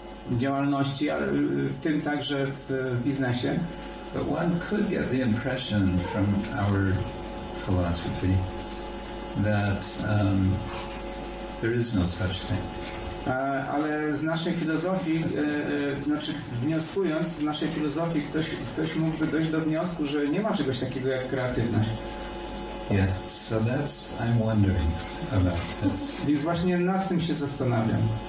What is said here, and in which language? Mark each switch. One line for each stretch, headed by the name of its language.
Polish: Działalności, ale w tym także w biznesie.
English: But one could get the impression from our philosophy that there is no such thing.
Polish: Ale z naszej filozofii, znaczy wnioskując z naszej filozofii, ktoś mógłby dojść do wniosku, że nie ma czegoś takiego jak kreatywność.
English: Yeah, so that's I'm wondering about this.
Polish: Więc właśnie nad tym się zastanawiam.